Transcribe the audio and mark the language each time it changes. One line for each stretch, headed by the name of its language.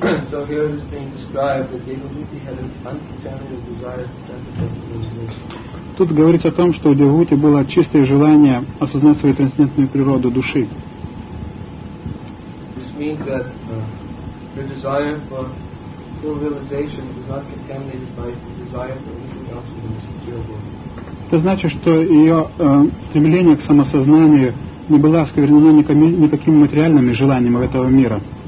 English: So here it is being described that Devahuti had an uncontaminated desire for transcendental realization.
Russian: Тут говорится о том, что у Девахути было чистое желание осознать свою трансцендентную природу души.
English: This means that her desire for full realization was not contaminated by the desire for anything else in this material world.
Russian: Это значит, что ее стремление к самосознанию не была осквернена никаким материальным желанием этого мира.